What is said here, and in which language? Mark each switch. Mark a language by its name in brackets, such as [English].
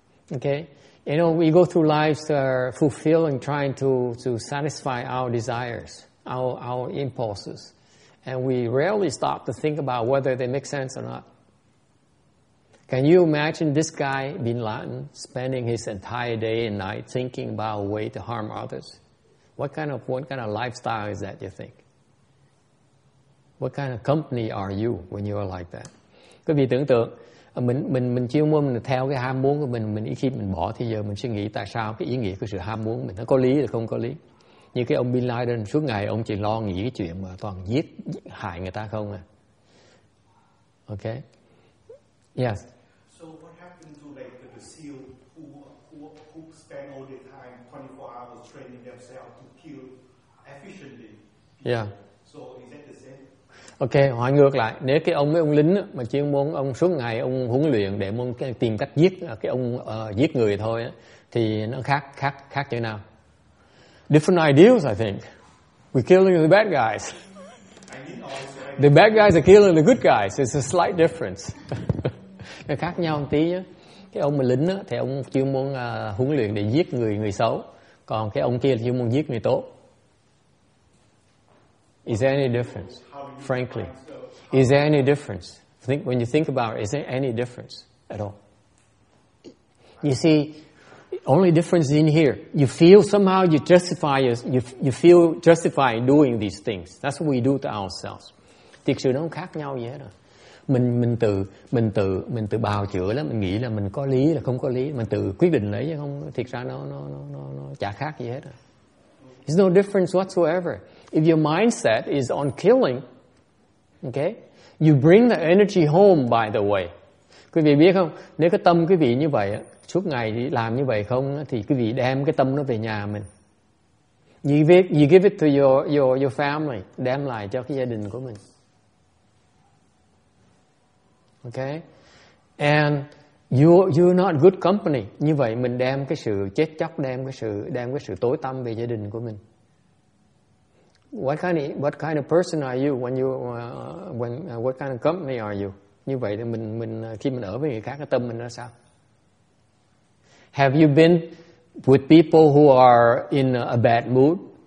[English] Okay, you know, we go through lives fulfilling, trying to satisfy our desires, our impulses, and we rarely stop to think about whether they make sense or not. Can you imagine this guy, Bin Laden, spending his entire day and night thinking about a way to harm others? What kind of lifestyle is that, you think? What kind of company are you when you are like that? [Vietnamese] Quý vị tưởng tượng, mình chuyên môn mình theo cái ham muốn của mình ít khi mình bỏ thì giờ mình suy nghĩ tại sao cái ý nghĩa của sự ham muốn mình nó có lý hay không có lý. Như cái ông Bin Laden suốt ngày ông chỉ lo nghĩ cái chuyện mà toàn giết hại người ta không à. Okay? Yes. [English] So what happened to like the SEAL who spend all their time 24 hours training themselves to kill efficiently? People? Yeah. So is that the same? [Vietnamese] Okay, hỏi ngược lại, nếu cái ông với ông lính mà chuyên môn ông suốt ngày ông huấn luyện để muốn tìm cách giết cái ông giết người thôi thì nó khác chỗ nào? [English] Different ideals, I think. We're killing the bad guys. The bad guys are killing the good guys. It's a slight difference. [Vietnamese] Nó khác nhau một tí nhé. Cái ông mà lính á, thì ông chuyên môn huấn luyện để giết người xấu. Còn cái ông kia là chuyên môn giết người tốt. [English] Is there any difference? Frankly. Is there any difference? Think, when you think about it, is there any difference at all? You see, only difference is in here. You feel somehow you justify, you feel justified doing these things. That's what we do to ourselves. [Vietnamese] Thực sự nó không khác nhau gì hết rồi. Mình tự bào chữa lắm, mình nghĩ là mình có lý là không có lý, mình tự quyết định lấy chứ không thiệt ra nó chả khác gì hết. [English] It's no difference whatsoever. If your mindset is on killing, okay, You bring the energy home, by the way. [Vietnamese] Quý vị biết không? Nếu cái tâm quý vị như vậy, suốt ngày đi làm như vậy không, thì quý vị đem cái tâm nó về nhà mình. [English] You give it to your family. [Vietnamese] Đem lại cho cái gia đình của mình. [English] Okay? And you're not good company. [Vietnamese] Như vậy mình đem cái sự chết chóc, đem cái sự tối tăm về gia đình của mình. [English] What kind of person are you what kind of company are you? [Vietnamese] Như vậy thì mình khi mình ở với người khác, cái tâm mình nó sao? [English] Have you been with people who are in a bad mood?